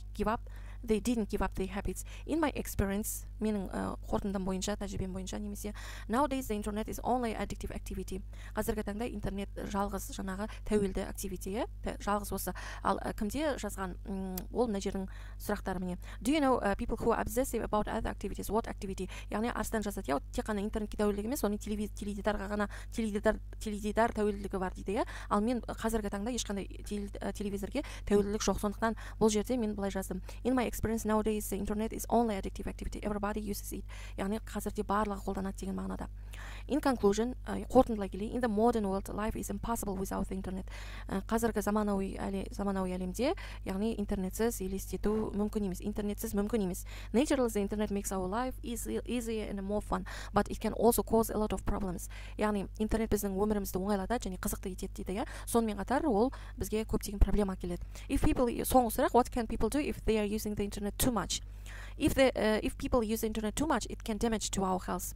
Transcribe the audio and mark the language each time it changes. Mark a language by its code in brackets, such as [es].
[en] Give up. They didn't give up their habits. In my experience, [kk] менің қорытындым бойынша, тәжірибем бойынша, немесе, [en] nowadays the internet is only addictive activity. [kk] Қазіргі таңда интернет жалғыз жаңағы тәуелді активитеті, жалғыз осы. Ал кімде жазған, ол мына жердің сұрақтары міне. [en] Do you know people who are obsessive about other activities? What activity? [kk] Яғни, арстан жазады, яу, тек қана интернетке тәуелділігі емес, оның теледидарға ғана, теледидар тәуелділігі бар дейді, ал мен қазіргі таңда ешқандай телевизорге тәуелділік жоқ. Сондықтан бұл жерде мен былай жаздым. [en] In my experience nowadays the internet is only addictive activity. Everybody uses it. [kk] Яғни қазірде барлығы қолданады деген мағынада. [en] In conclusion, [kk] қорытындылай келе, [en] in the modern world life is impossible without the internet. [kk] Қазіргі заманауи әлемде, яғни интернетсіз елестету мүмкін емес. Интернетсіз мүмкін емес. [en] Naturally, the internet makes our life easier and more fun, but it can also cause a lot of problems. [kk] Яғни интернет біздің өмірімізді оңайлатады және қызықты етеді дейді, иә. Сонымен қатар ол бізге көптеген проблема әкеледі. [en] If people [kk] соңғы сұрақ, [en] what can people do if they are using the internet too much? If people use the internet too much, it can damage to our health.